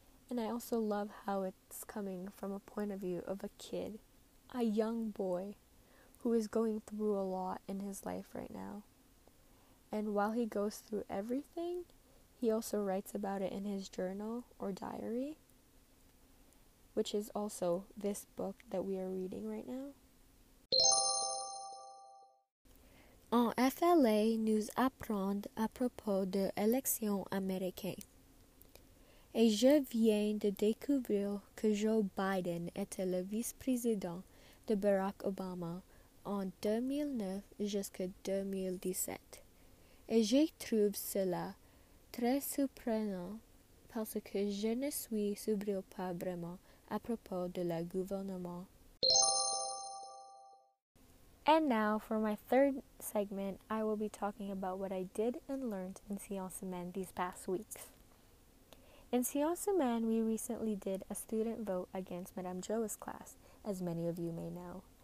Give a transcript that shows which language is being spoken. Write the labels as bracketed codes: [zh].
[en] And I also love how it's coming from a point of view of a kid, a young boy, who is going through a lot in his life right now. And while he goes through everything, he also writes about it in his journal or diary, which is also this book that we are reading right now. [fr] En FLA, nous apprenons à propos de l'élection américaine. Et je viens de découvrir que Joe Biden était le vice-président de Barack Obama en 2009 jusqu'à 2017. Et je trouve cela très surprenant parce que je ne suis surpris pas vraiment à propos de la gouvernement. [en] And now for my third segment, I will be talking about what I did and learned in Sciences Humaines these past weeks. In Sciences Humaines, we recently did a student vote against Madame Joa's class, as many of you may know.